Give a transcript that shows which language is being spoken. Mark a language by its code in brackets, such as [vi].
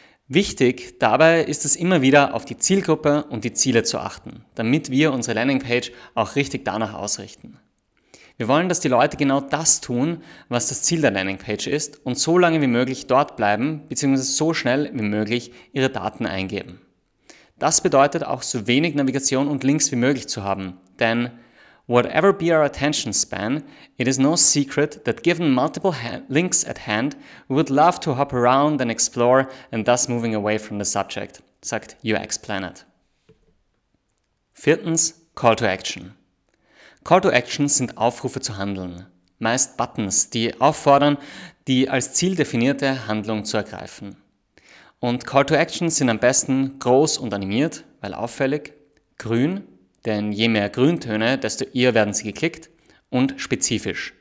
[de] Wichtig dabei ist es immer wieder, auf die Zielgruppe und die Ziele zu achten, damit wir unsere Landingpage auch richtig danach ausrichten. Wir wollen, dass die Leute genau das tun, was das Ziel der Landingpage ist und so lange wie möglich dort bleiben bzw. so schnell wie möglich ihre Daten eingeben. Das bedeutet auch, so wenig Navigation und Links wie möglich zu haben. Denn [en] whatever be our attention span, it is no secret that given multiple links at hand, we would love to hop around and explore and thus moving away from the subject, [de] sagt UX Planet. Viertens, Call to Action. Call to Action sind Aufrufe zu handeln, meist Buttons, die auffordern, die als Ziel definierte Handlung zu ergreifen. Und Call to Action sind am besten groß und animiert, weil auffällig, grün, denn je mehr Grüntöne, desto eher werden sie geklickt und spezifisch.